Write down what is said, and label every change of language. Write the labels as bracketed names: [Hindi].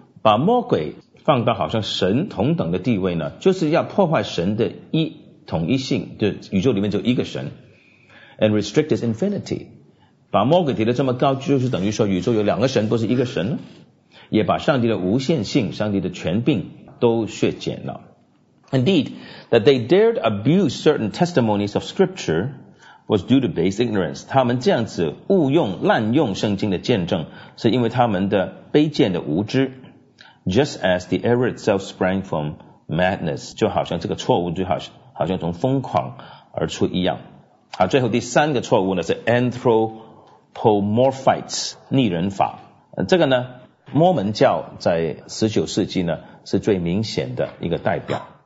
[Chinese] 把魔鬼放到好像神同等的地位呢，就是要破坏神的一统一性，就宇宙里面只有一个神。 [English] And restrict his infinity. [Chinese] 把魔鬼提得这么高，就是等于说宇宙有两个神，不是一个神呢？也把上帝的无限性、上帝的权柄都削减了。 [English] Indeed, that they dared abuse certain testimonies of Scripture was due to base ignorance. [Chinese] 他们这样子误用、滥用圣经的见证，是因为他们的卑贱的无知。 [English] Just as the error itself sprang from madness, [Chinese] 就好像这个错误就好像从疯狂而出一样。好，最后第三个错误呢是 Anthropomorphites 逆人法，这个呢摩门教在19世纪呢是最明显的一个代表。